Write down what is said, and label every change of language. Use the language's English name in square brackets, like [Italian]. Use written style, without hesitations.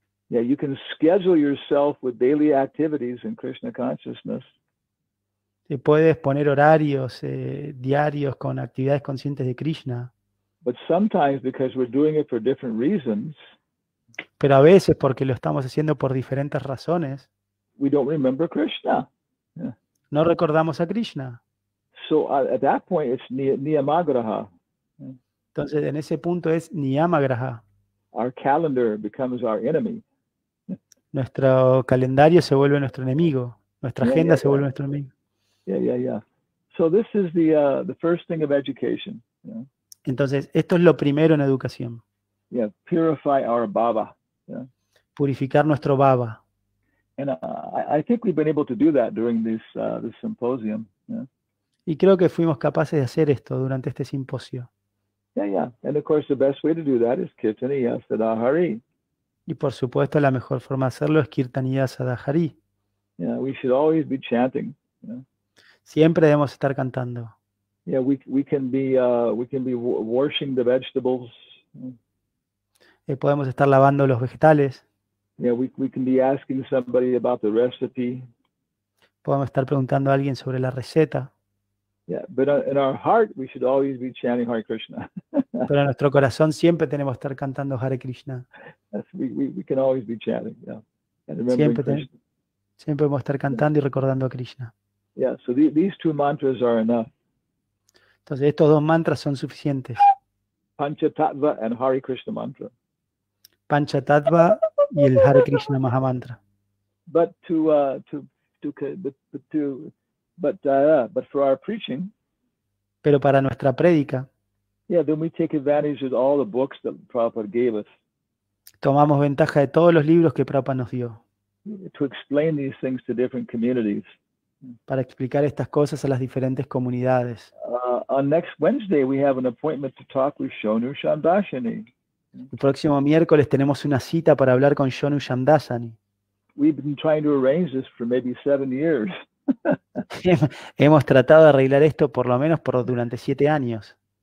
[English] Yeah, you can schedule yourself with daily activities in Krishna consciousness. [Spanish] Te puedes poner horarios diarios con actividades conscientes de Krishna. [English] But sometimes, because we're doing it for different reasons, [Spanish] pero a veces porque lo estamos haciendo por diferentes razones, [English] we don't remember Krishna. [Spanish] No recordamos a Krishna. [English] So at that point it's niyamagraha. [Spanish] Entonces en ese punto es niyamagraha. [English] Our calendar becomes our enemy. [Spanish] Nuestro calendario se vuelve nuestro enemigo. Nuestra agenda se vuelve nuestro enemigo. [English] Yeah. So this is the first thing of education. [Spanish] Entonces esto es lo primero en educación. [English] Yeah, purify our bhava. [Spanish] Purificar nuestro bhava. [English] And I think we've been able to do that during this symposium. Yeah. [Spanish] Y creo que fuimos capaces de hacer esto durante este simposio. [English] Yeah. And of course, the best way to do that is Kirtaniya Sadahari. [Spanish] Y por supuesto, la mejor forma de hacerlo es Kirtaniya Sadahari. [English] Yeah, we should always be chanting. Yeah. [Spanish] Siempre debemos estar cantando. [English] Yeah, we can be washing the vegetables. [Spanish] Yeah. Podemos estar lavando los vegetales. [English] Yeah, we can be asking somebody about the recipe. [Spanish] Podemos estar preguntando a alguien sobre la receta. [English] Yeah, but in our heart we should always be chanting Hare Krishna. [Spanish] Pero en nuestro corazón siempre tenemos que estar cantando Hare Krishna. [English] We can always be chanting, yeah. And remembering [Spanish] siempre Krishna. Siempre podemos estar cantando y recordando a Krishna. [English] Yeah, so these two mantras are enough. [Spanish] Entonces estos dos mantras son suficientes. [English] Pancha Tattva and Hare Krishna mantra. [Spanish] Pancha Tattva y el Hare Krishna Mahamantra. [English] But to But for our preaching, [Spanish] pero para nuestra prédica, [English] yeah, then we take advantage of all the books that Prabhupada gave us. [Spanish] Tomamos ventaja de todos los libros que Prabhupada nos dio. [English] To explain these things to different communities. [Spanish] Para explicar estas cosas a las diferentes comunidades. [English] On next Wednesday we have an appointment to talk with Shonu Shandashani. [Spanish] El próximo miércoles tenemos una cita para hablar con Shonu Shandashani. [English] We've been trying to arrange this for maybe 7 years. [Spanish] Hemos tratado de arreglar esto por lo menos por durante 7 años.